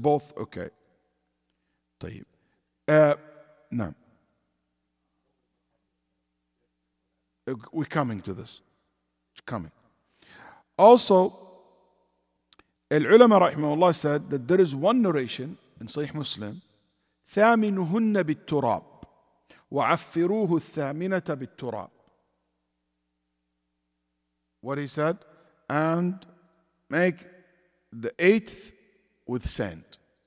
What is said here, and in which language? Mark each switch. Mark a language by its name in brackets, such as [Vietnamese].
[English] Both, okay. [Arabic] طيب. نعم. [English] We're coming to this. It's coming. Also, [Arabic] العلماء رحمه الله [English] said that there is one narration in Sahih Muslim. [Arabic] ثامنهن بالتراب وعفروه الثامنة بالتراب. [English] What he said? And make the eighth with sand.